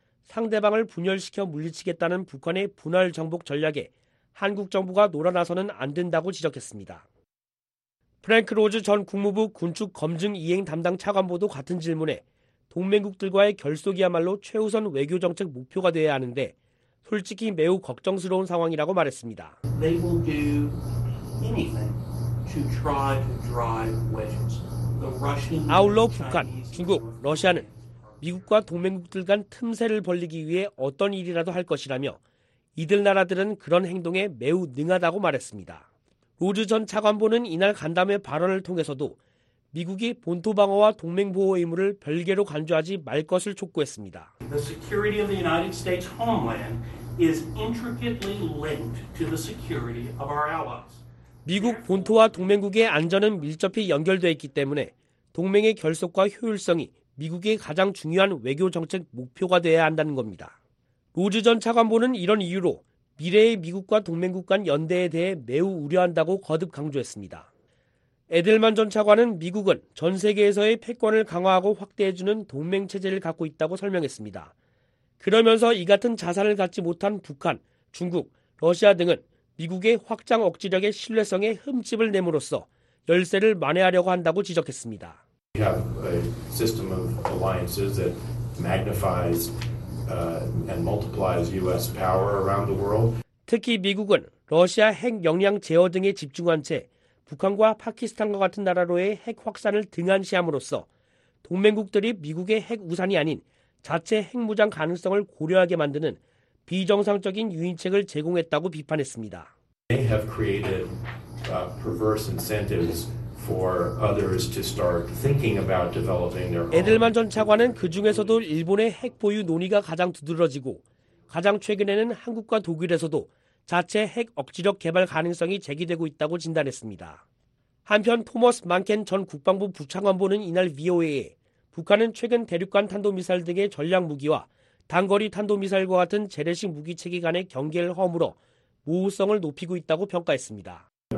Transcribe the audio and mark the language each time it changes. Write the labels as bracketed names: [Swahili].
[Korean] 상대방을 분열시켜 물리치겠다는 북한의 분할 정복 전략에 한국 정부가 놀아나서는 안 된다고 지적했습니다. 프랭크 로즈 전 국무부 군축 검증 이행 담당 차관보도 같은 질문에 동맹국들과의 결속이야말로 최우선 외교정책 목표가 돼야 하는데 솔직히 매우 걱정스러운 상황이라고 말했습니다. [English] They will do anything to try to drive wedges. [Korean] 아울러 북한, 중국, 러시아는 미국과 동맹국들 간 틈새를 벌리기 위해 어떤 일이라도 할 것이라며 이들 나라들은 그런 행동에 매우 능하다고 말했습니다. 로즈 전 차관보는 이날 간담회 발언을 통해서도 미국이 본토 방어와 동맹 보호 의무를 별개로 간주하지 말 것을 촉구했습니다. [English] The security of the United States homeland is intricately linked to the security of our allies. [Korean] 미국 본토와 동맹국의 안전은 밀접히 연결되어 있기 때문에 동맹의 결속과 효율성이 미국의 가장 중요한 외교정책 목표가 되어야 한다는 겁니다. 로즈 전 차관보는 이런 이유로 미래의 미국과 동맹국 간 연대에 대해 매우 우려한다고 거듭 강조했습니다. 에델만 전 차관은 미국은 전 세계에서의 패권을 강화하고 확대해주는 동맹체제를 갖고 있다고 설명했습니다. 그러면서 이 같은 자산을 갖지 못한 북한, 중국, 러시아 등은 미국의 확장 억지력의 신뢰성에 흠집을 내므로써 열세를 만회하려고 한다고 지적했습니다. [English] We have a system of alliances that magnifies and multiplies U.S. power around the world. [Korean] 특히 미국은 러시아 핵 역량 제어 등에 집중한 채 북한과 파키스탄과 같은 나라로의 핵 확산을 등한시함으로써 동맹국들이 미국의 핵 우산이 아닌 자체 핵무장 가능성을 고려하게 만드는 비정상적인 유인책을 제공했다고 비판했습니다. [English] They have created perverse incentives for others to start thinking about developing their own. [Korean] 에델만 전 차관은 그 중에서도 일본의 핵 보유 논의가 가장 두드러지고 가장 최근에는 한국과 독일에서도 자체 핵 억지력 개발 가능성이 제기되고 있다고 진단했습니다. 한편 토머스 만켄 전 국방부 부차관보는 이날 VOA에 북한은 최근 대륙간 탄도미사일 등의 전략 무기와 단거리 탄도미사일과 같은 재래식 무기체계 간의 경계를 허물어 모호성을 높이고 있다고 평가했습니다.